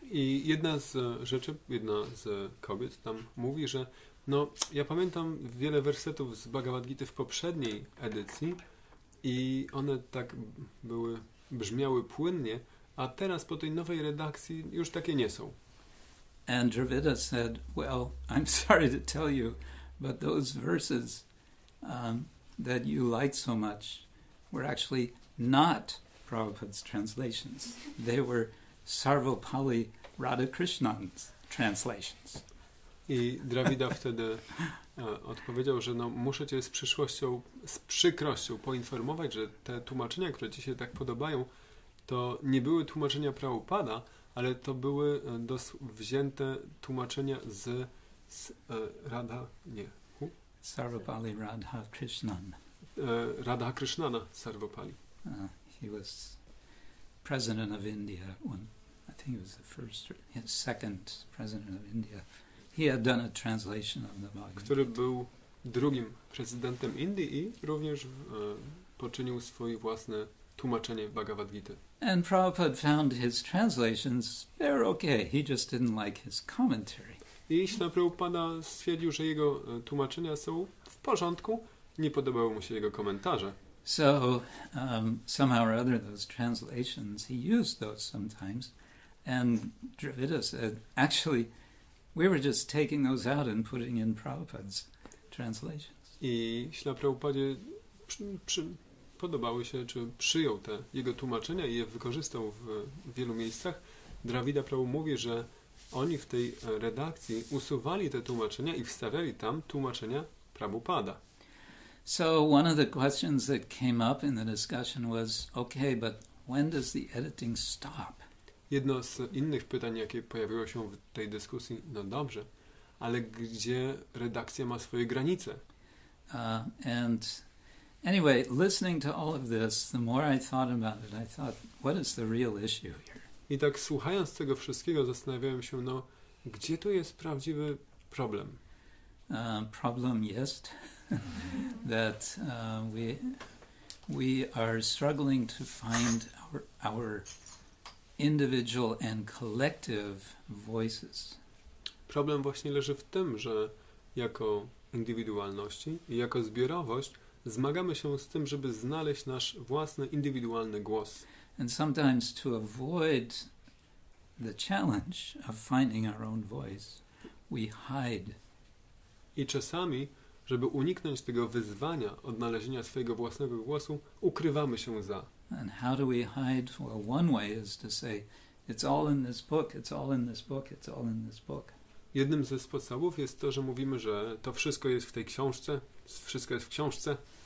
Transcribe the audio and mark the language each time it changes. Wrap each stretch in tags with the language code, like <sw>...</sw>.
<pl>I jedna z rzeczy, jedna z kobiet tam mówi, że no, ja pamiętam wiele wersetów z Bhagavad Gita w poprzedniej edycji i one tak były, brzmiały płynnie, a teraz po tej nowej redakcji już takie nie są.</pl> <en>And Dravida said, well, I'm sorry to tell you, but those verses that you liked so much were actually not Prabhupada's translations. They were Sarvapalli Radhakrishnan's translations.</en> <pl>I Dravida wtedy odpowiedział, że no, muszę cię z przykrością poinformować, że te tłumaczenia, które ci się tak podobają, to nie były tłumaczenia Prabhupada, ale to były wzięte tłumaczenia z Radha, nie, Sarvapalli Radha Krishnan. Radha Krishnana Sarvapalli.</pl> <en>He was president of India, I think he was the first or second president of India. He had done a translation of the Bhagavad Gita.</en> <pl>Który był drugim prezydentem Indii i również poczynił swoje własne tłumaczenie Bhagavad Gita.</pl> <en>And Prabhupada found his translations, they're okay, he just didn't like his commentary.</en> <pl>I Śla Prabhupada stwierdził, że jego tłumaczenia są w porządku, nie podobały mu się jego komentarze.</pl> <en>So, somehow or other, those translations, he used those sometimes, and Dravida said, actually, we were just taking those out and putting in Prabhupada's translations.</en> <pl>I Śla Prabhupada podobały się, czy przyjął te jego tłumaczenia i je wykorzystał w wielu miejscach. Dravida Prabhupada mówi, że oni w tej redakcji usuwali te tłumaczenia i wstawiali tam tłumaczenia Prabhupada.</pl> <en>So one of the questions that came up in the discussion was, okay, but when does the editing stop?</en> <pl>Jedno z innych pytań, jakie pojawiło się w tej dyskusji, no dobrze, ale gdzie redakcja ma swoje granice?</pl> <en>And anyway, listening to all of this, the more I thought about it, I thought, what is the real issue here?</en> <pl>I tak słuchając tego wszystkiego, zastanawiałem się, no, gdzie tu jest prawdziwy problem? Problem jest</pl> <en>that we are struggling to find our individual and collective voices.</en> <pl>Problem właśnie leży w tym, że jako indywidualności i jako zbiorowość zmagamy się z tym, żeby znaleźć nasz własny indywidualny głos.</pl> <en>And sometimes to avoid the challenge of finding our own voice, we hide.</en> <pl>I czasami, żeby uniknąć tego wyzwania odnalezienia swojego własnego głosu, ukrywamy się za.</pl> <en>And how do we hide? Well, one way is to say, it's all in this book, it's all in this book, it's all in this book.</en> <pl>Jednym ze sposobów jest to, że mówimy, że to wszystko jest w tej książce, wszystko jest w książce.</pl>